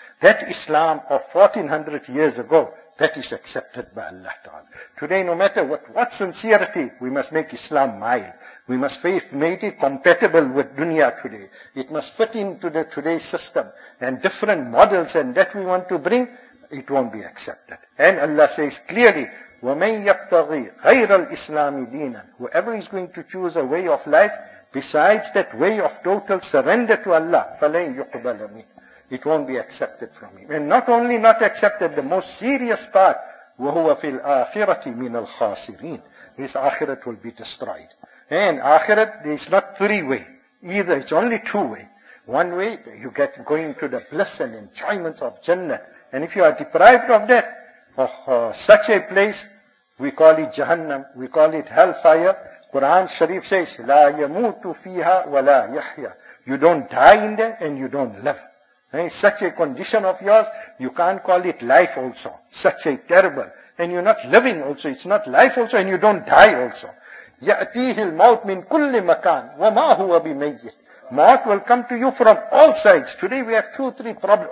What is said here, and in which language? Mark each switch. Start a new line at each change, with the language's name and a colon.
English: That Islam of 1400 years ago, that is accepted by Allah Ta'ala. Today, no matter what sincerity, we must make Islam mild. We must make it compatible with dunya today. It must fit into the today's system. And different models and that we want to bring, it won't be accepted. And Allah says clearly,
Arabic: وَمَنْ يَبْتَغِي غَيْرَ الْإِسْلَامِ دِينًا.
English: Whoever is going to choose a way of life, besides that way of total surrender to Allah,
Arabic: فَلَنْ يُقْبَلَ مِنْ.
English: It won't be accepted from him. And not only not accepted, the most serious part,
Arabic: وَهُوَ فِي الْآخِرَةِ مِنَ الْخَاسِرِينَ.
English: His akhirat will be destroyed. And akhirat, there is not three way. Either it's only two way. One way, you get going to the bliss and enjoyments of Jannah. And if you are deprived of that, such a place, we call it Jahannam, we call it hellfire. Quran Sharif says,
Arabic: لَا يَمُوتُ فِيهَا وَلَا يَحْيَا.
English: You don't die in there and you don't live. And such a condition of yours, you can't call it life also. Such a terrible. And you're not living also. It's not life also and you don't die also.
Arabic: يَأْتِيهِ الْمَوْتْ مِنْ كُلِّ مَكَانٍ وَمَا هُوَ بِمَيِّتْ.
English: Mort will come to you from all sides. Today we have two, three problems.